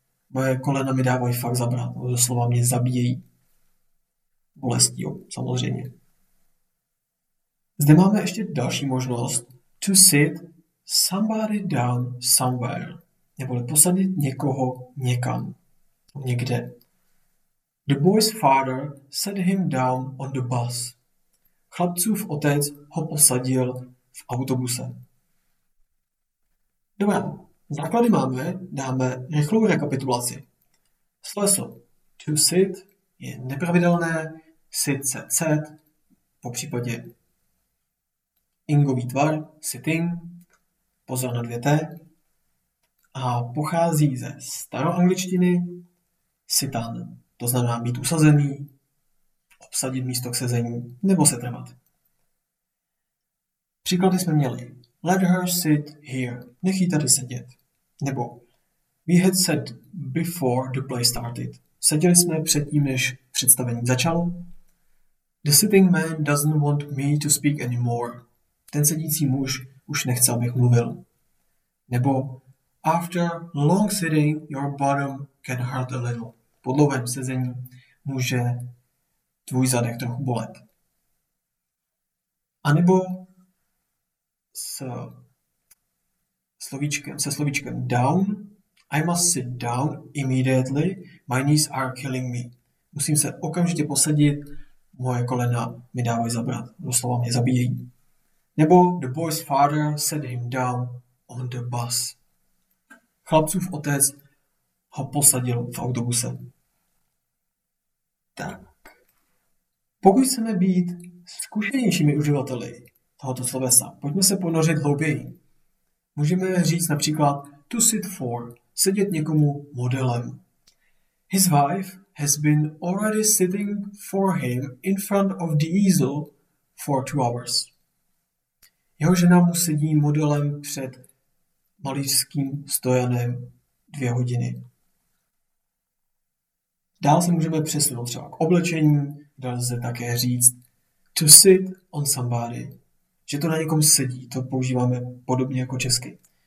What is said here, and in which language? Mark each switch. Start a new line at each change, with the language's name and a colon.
Czech: Moje kolena mi dávají fakt zabrat. Doslova mě zabíjejí. Bolestí, jo, samozřejmě. Zde máme ještě další možnost.
English: To sit somebody down somewhere.
Czech: Neboli posadit někoho někam. Někde.
English: The boy's father set him down on the bus.
Czech: Chlapcův otec ho posadil v autobuse. Dobrá. Základy máme, dáme rychlou rekapitulaci. Sloveso to sit je nepravidelné, sit, set, set, popřípadě ingový tvar, sitting, pozor na dvě t, a pochází ze staroangličtiny sitan, to znamená být usazený, obsadit místo k sezení nebo se trvat. Příklady jsme měli.
English: Let her sit here.
Czech: Nech jí tady sedět. Nebo
English: we had sat before the play started.
Czech: Seděli jsme předtím, než představení začalo.
English: The sitting man doesn't want me to speak anymore.
Czech: Ten sedící muž už nechce, abych mluvil. Nebo
English: after long sitting, your bottom can hurt a little.
Czech: Po dlouhém sezení může tvůj zadek trochu bolet. A nebo se slovíčkem down,
English: I must sit down immediately, my knees are killing me.
Czech: Musím se okamžitě posadit, moje kolena mi dávají zabrat, doslova mě zabíjí. Nebo
English: the boy's father set him down on the bus.
Czech: Chlapcův otec ho posadil v autobuse. Tak. Pokud chceme být zkušenějšími uživateli tohoto slovesa, pojďme se ponořit hlouběji. Můžeme říct například to sit for, sedět někomu modelem.
English: His wife has been already sitting for him in front of the easel for 2 hours.
Czech: Jeho žena mu sedí modelem před malířským stojanem 2 hodiny. Dál se můžeme přesunout třeba k oblečení, kde lze také říct to sit on somebody, že to na někom sedí, to používáme podobně jako česky.